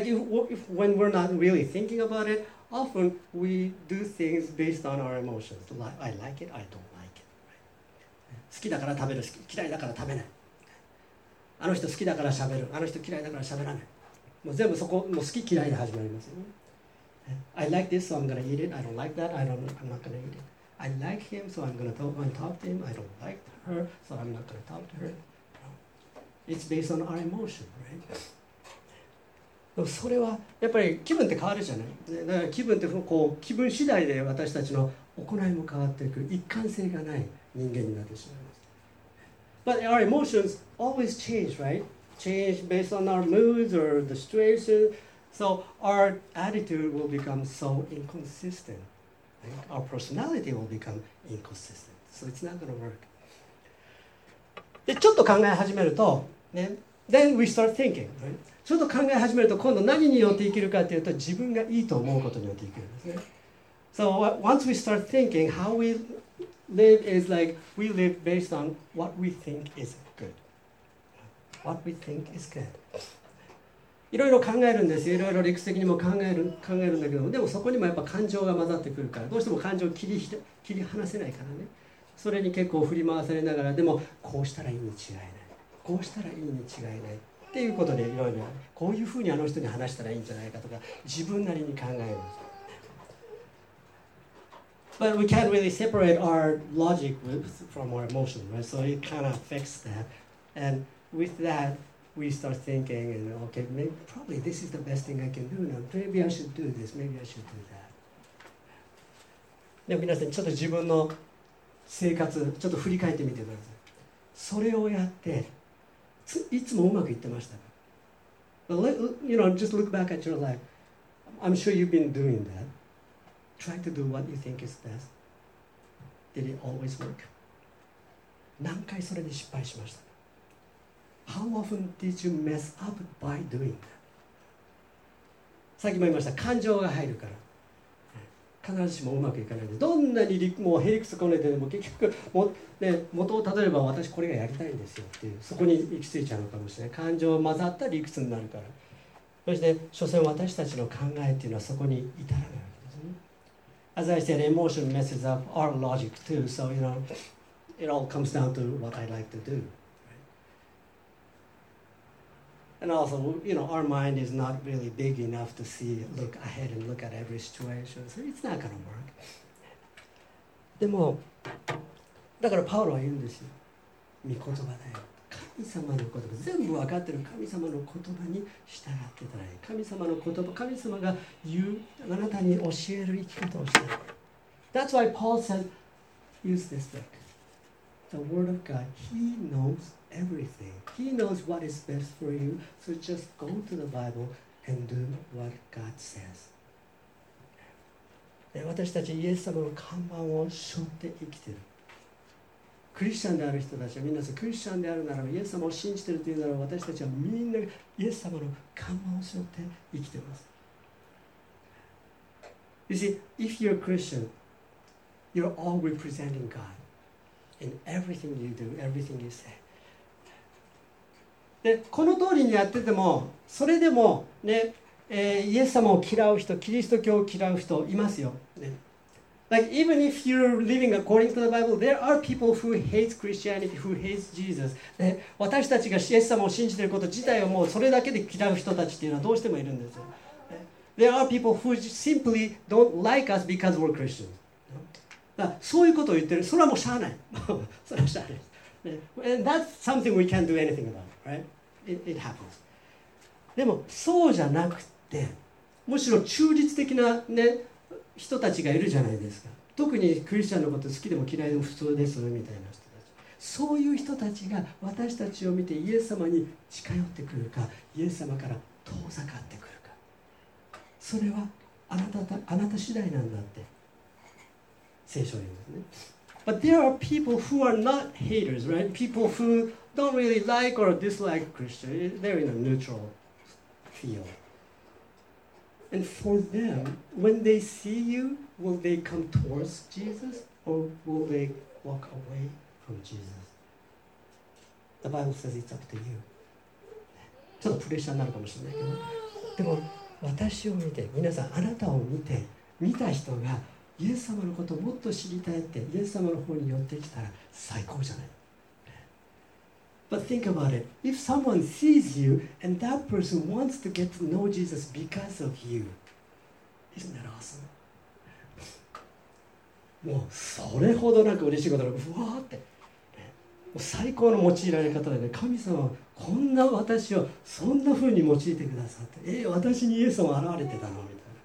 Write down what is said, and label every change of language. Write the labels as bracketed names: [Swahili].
[English] Like if when we're not really thinking about it, often we do things based on our emotions. Like I like it, I don't. [Japanese] 好きだから食べる、嫌いだから食べない、あの人好きだから喋る、あの人嫌いだから喋らない、もう全部そこもう好き嫌いで始まりますよね。 [English] I like this so I'm gonna eat it, I don't like that, I'm not gonna eat it. I like him so I'm gonna talk to him, I don't like her so I'm not gonna talk to her. It's based on our emotion, right? [Japanese] でもそれはやっぱり気分って変わるじゃない。だから気分ってこう気分次第で私たちの行いも変わっていく。一貫性がない人間になってしまいます。 [English] But our emotions always change, right? Change based on our moods or the situation. So our attitude will become so inconsistent. Our personality will become inconsistent. So it's not going to work. [Japanese] でちょっと考え始めると、ね、 [English] Then we start thinking, right? [Japanese] ちょっと考え始めると今度何によって生きるかというと自分がいいと思うことによって生きるんですね。 [English] So once we start thinking how we live is like we live based on what we think is good. What we think is good. [Japanese] いろいろ考えるんですよ。いろいろ理屈的にも考えるんだけども、でもそこにもやっぱ感情が混ざってくるから、どうしても感情を切り離せないからね。それに結構振り回されながら、でもこうしたらいいに違いない。こうしたらいいに違いない。っていうことでいろいろこういうふうにあの人に話したらいいんじゃないかとか自分なりに考えます。 [English] But we can't really separate our logic from our emotion, right? So it kind of affects that. And with that, we start thinking, and okay, maybe probably this is the best thing I can do now. Maybe I should do this. Maybe I should do that. [Japanese] で皆さんちょっと自分の生活ちょっと振り返ってみてください。それをやって。いつもうまくいってました。 [English] You know, just look back at your life. I'm sure you've been doing that. Try to do what you think is best. Did it always work? [Japanese] 何回それで失敗しました。 [English] How often did you mess up by doing that? [Japanese] さっきも言いました。感情が入るから。必ずしもうまくいかないで。どんなにもうへりくつこねてでも結局も、ね、元をたどれば私これがやりたいんですよっていうそこに行き着いちゃうのかもしれない。感情混ざった理屈になるから。そして所詮私たちの考えっていうのはそこに至らないわけですね。 [English] As I said, emotion messes up our logic too. So you know, it all comes down to what I like to do. And also, you know, our mind is not really big enough to see, look ahead and look at every situation. So it's not going to work. [Japanese] でも、だからパウロは言うんですよ。御言葉だよ。神様の言葉、全部わかってる神様の言葉に従ってたらいい。神様の言葉、神様が言う、あなたに教える生き方をしてる。 [English] That's why Paul said, use this book. The word of God, he knows. Everything. He knows what is best for you, so just go to the Bible and do what God says. [Japanese] 私たちイエス様の看板を背負って生きている。クリスチャンである人たちはみんなクリスチャンであるならばイエス様を信じているというなら私たちはみんなイエス様の看板を背負って生きています。 [English] You see, if you're a Christian, you're all representing God in everything you do, everything you say. [Japanese] でこの通りにやっててもそれでも、ねイエス様を嫌う人キリスト教を嫌う人いますよ、ね、 [English] Like even if you're living according to the Bible there are people who hate Christianity who hates Jesus、 [Japanese] ね、私たちがイエス様を信じていること自体をもうそれだけで嫌う人たちっていうのはどうしてもいるんですよ、ね、 [English] There are people who simply don't like us because we're Christians [Japanese] だそういうことを言ってるそれはもうしゃあないそれはしゃあない、 [English] ね、And that's something we can't do anything aboutRight? It happens. [Japanese] でもそうじゃなくてむしろ中立的な、ね、人たちがいるじゃないですか。特にクリスチャンのこと好きでも嫌いでも普通ですみたいな人たち。そういう人たちが私たちを見てイエス様に近寄ってくるかイエス様から遠ざかってくるかそれはあなた次第なんだって聖書言うんですね。 [English] But there are people who are not haters, right? People whodon't really like or dislike Christian. They're in a neutral field. And for them, when they see you, will they come towards Jesus or will they walk away from Jesus? The Bible says it's up to you. [Japanese] ちょっとプレッシャーになるかもしれないけど、でも私を見て、皆さんあなたを見て、見た人がイエス様のことをもっと知りたいってイエス様の方に寄ってきたら最高じゃない。 [English] But think about it. If someone sees you and that person wants to get to know Jesus because of you, isn't that awesome? [Japanese] もうそれほどなんか嬉しいことだろう。ふわーって。最高の用いられ方でね、神様はこんな私をそんな風に用いてくださって、私にイエス様現れてたのみたいな。